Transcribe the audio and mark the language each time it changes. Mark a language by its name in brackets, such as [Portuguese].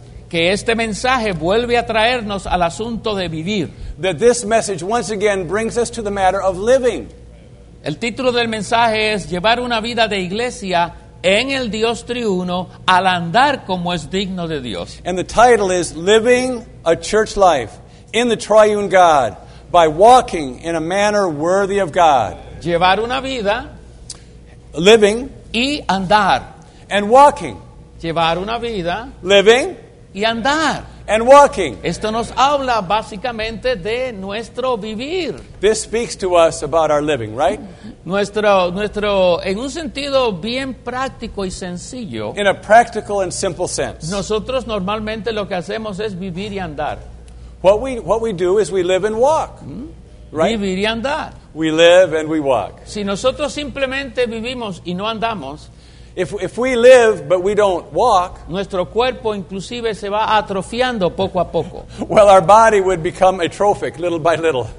[Spanish] que este mensaje vuelve a traernos al asunto de vivir. [English] That this message once again brings us to the matter of living. [Spanish] El título del mensaje es llevar una vida de iglesia en el Dios triuno, al andar como es digno de Dios. [English] And the title is Living a Church Life in the Triune God by Walking in a Manner Worthy of God. [Spanish] Llevar una vida. [English] Living. [Spanish] Y andar. [English] And walking. [Spanish] Llevar una vida. [English] Living. [Spanish] Y andar. [English] And walking. [Spanish] Esto nos habla básicamente de nuestro vivir. [English] This speaks to us about our living, right? [Spanish] Nuestro, en un sentido bien práctico y sencillo. [English] In a practical and simple sense. [Spanish] Nosotros normalmente lo que hacemos es vivir y andar. [English] What we do is we live and walk, right? [Spanish] Vivir y andar. [English] We live and we walk. [Spanish] Si nosotros simplemente vivimos y no andamos. [English] If we live but we don't walk, [Spanish] nuestro cuerpo inclusive se va atrofiando poco a poco. [English] Well, our body would become atrophic little by little.